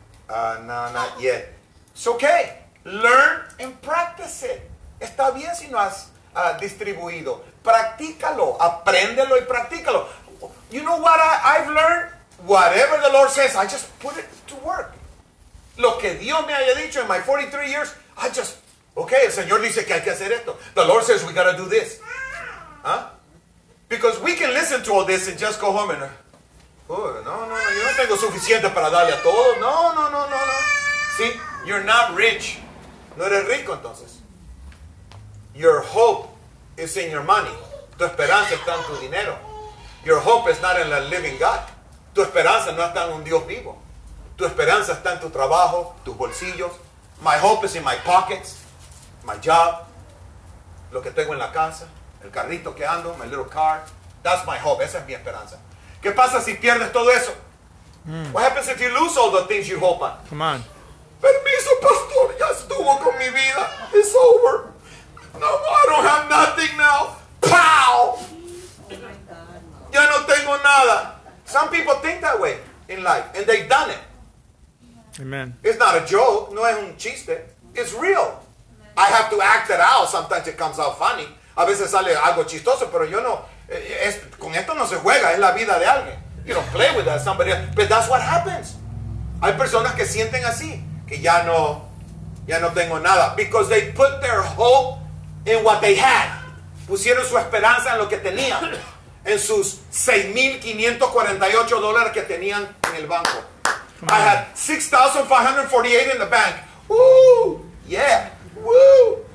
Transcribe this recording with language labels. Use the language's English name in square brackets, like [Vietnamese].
[English] No, not yet. It's okay. Learn and practice it. [Spanish] Está bien si no has distribuido. Practícalo, apréndelo y practícalo. [English] You know what I've learned? Whatever the Lord says, I just put it to work. [Spanish] Lo que Dios me haya dicho in my 43 years, I just, okay, el Señor dice que hay que hacer esto. [English] The Lord says we got to do this. Huh? Because we can listen to all this and just go home and, no, yo no tengo suficiente para darle a todo. No. See, you're not rich. No eres rico, entonces. Your hope is in your money. Tu esperanza está en tu dinero. Your hope is not in the living God. [Spanish] Tu esperanza no está en un Dios vivo. Tu esperanza está en tu trabajo, tus bolsillos. [English] My hope is in my pockets, my job, lo que tengo en la casa, el carrito que ando, my little car. That's my hope. Esa es mi esperanza. [Spanish] ¿Qué pasa si pierdes todo eso? [English] What happens if you lose all the things you hope on? Come on. [Spanish] Permiso, pastor. Ya estuvo con mi vida. It's over. [English] No, I don't have nothing now. Pow! Ya no tengo nada. Some people think that way in life. And they've done it. Amen. It's not a joke. No es un chiste. It's real. Amen. I have to act it out. Sometimes it comes out funny. A veces sale algo chistoso, pero yo no [Spanish] Es, con esto no se juega, es la vida de alguien. You don't play with that, somebody else. But that's what happens. Hay personas que sienten así, que ya no tengo nada. [English] Because they put their hope in what they had. [Spanish] Pusieron su esperanza en lo que tenían. En sus $6,548 que tenían en el banco. [English] I had $6,548 in the bank. Woo! Yeah! Woo!